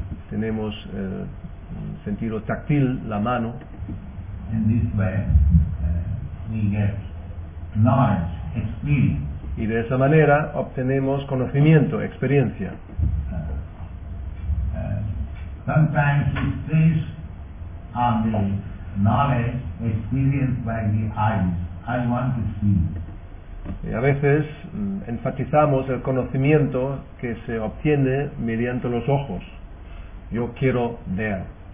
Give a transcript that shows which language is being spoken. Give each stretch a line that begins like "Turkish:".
Spanish: Tenemos el sentido táctil, la mano.
English: In this way, we get knowledge, experience.
Spanish: Y de esa manera obtenemos conocimiento, experiencia.
English: Sometimes it is on the knowledge experienced by the eyes. I want to see.
Spanish: Y a veces enfatizamos el conocimiento que se obtiene mediante los ojos. Yo quiero ver.